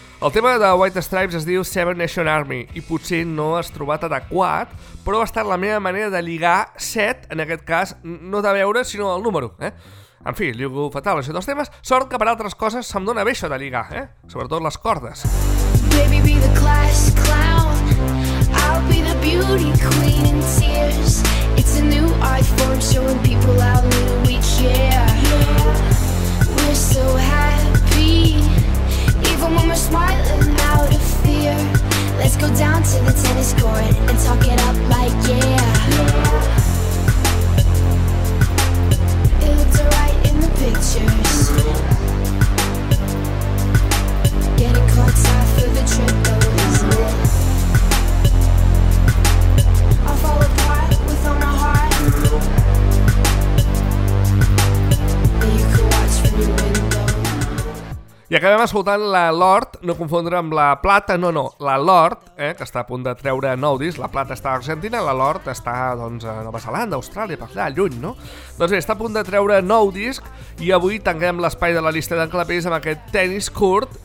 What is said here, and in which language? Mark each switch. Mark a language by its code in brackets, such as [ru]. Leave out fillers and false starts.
[ca] El tema de White Stripes es diu Seven Nation Army, i potser no has trobat adequat, però ha estat la meva manera de lligar set, en aquest cas, no de veure, sinó el número, En fi, lligo fatal això dels temes. Sort que per altres coses se'm dóna bé això de lligar, eh? Sobretot les cordes. [en] Baby, be the class clown. I'll be the beauty queen in tears. It's a new art form showing people how little we care. We're so happy. Even when we're smiling out of fear. Let's go down to the tennis court and talk it up like yeah. It looks alright in the pictures. Get a cold tie for the trip though. I'll fall apart with all my heart. But you could watch from your window. [ca] I acabem escoltant la Lord, no confondre amb la Plata, no, la Lord, que està a punt de treure nou disc. La Plata està a Argentina, la Lord està doncs, a Nova Zelanda, Austràlia, per allà, lluny, no? Doncs bé, està a punt de treure nou disc i avui tanquem l'espai de la llista d'enclapers amb aquest tennis curt.